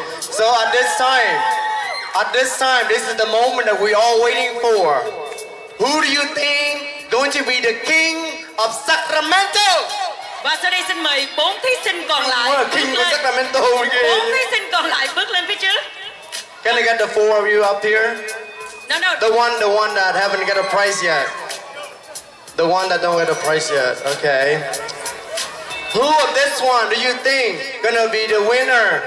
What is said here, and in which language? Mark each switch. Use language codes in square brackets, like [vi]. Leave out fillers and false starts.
[en] So at this time, this is the moment that we're all waiting for. Who do you think going to be the king of Sacramento? [vi] Và sau đây xin mời bốn thí sinh còn lại. [en] King of Sacramento. [vi] Bốn thí sinh còn lại bước lên phía trước. [en] Can I get the four of you up here? No. The one that haven't got a prize yet. The one that don't get a prize yet. Okay. Who of this one do you think gonna be the winner?